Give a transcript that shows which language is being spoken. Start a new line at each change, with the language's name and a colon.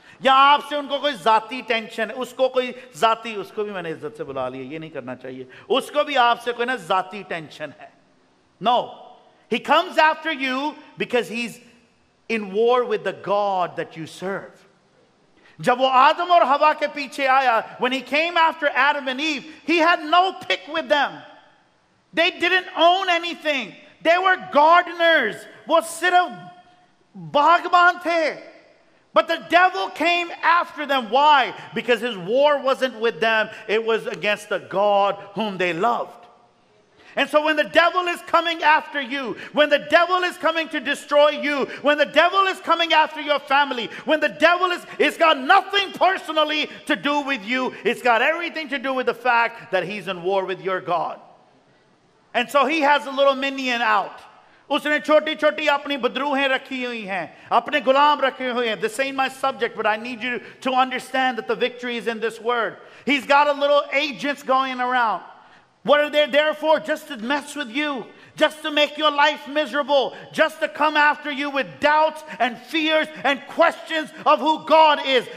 Hindi: या आपसे उनको कोई जाती टेंशन है, उसको कोई जाती, उसको भी मैंने इज्जत से बुला लिया, ये नहीं करना चाहिए, उसको भी आपसे कोई ना जाती टेंशन है.
English: No, he comes after you because he's in war with the God that you serve.
Hindi: जब वो आदम और हवा के पीछे आया,
English: when he came after Adam and Eve, he had no pick with them. They didn't own anything. They were gardeners.
Hindi: वो सिर्फ बागबान थे.
English: But the devil came after them. Why? Because his war wasn't with them. It was against the God whom they loved. And so when the devil is coming after you, when the devil is coming to destroy you, when the devil is coming after your family, when the devil is, it's got nothing personally to do with you. It's got everything to do with the fact that he's in war with your God. And so he has a little minion out.
Hindi: उसने छोटी छोटी अपनी बदरूहें रखी हुई हैं, अपने गुलाम रखे हुए हैं.
English: This ain't my subject, but I need you to understand that the victory is in this word. He's got a little agents going around. What are they there for? Just to mess with you, just to make your life miserable, just to come after you with doubts and fears and questions of who God is.